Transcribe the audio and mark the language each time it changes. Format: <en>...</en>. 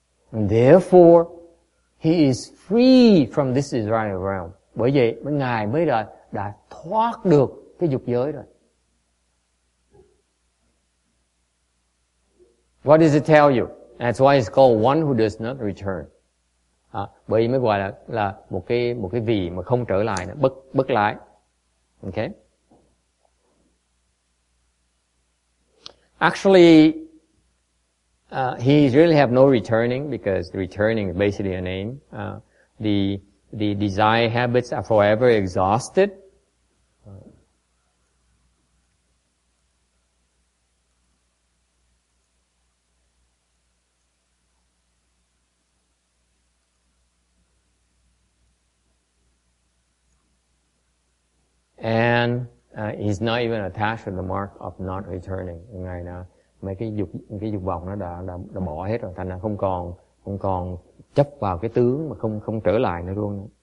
<en>And therefore, he is free from this desire realm.</en> <vi>Bởi vậy, Ngài mới đã thoát được cái dục giới rồi.</vi> <en>What does it tell you? That's why it's called one who does not return.</en> <vi>Bởi vì mới gọi là một cái vị mà không trở lại, nữa, bất lái.</vi> <en>Okay? Actually, he really have no returning, because the returning is basically a name. The desire habits are forever exhausted. And he's not even attached to the mark of not returning.</en> <vi>Ngài nào mấy cái dục vọng nó đã bỏ hết rồi, thành ra không còn chấp vào cái tướng mà không trở lại nữa luôn.</vi>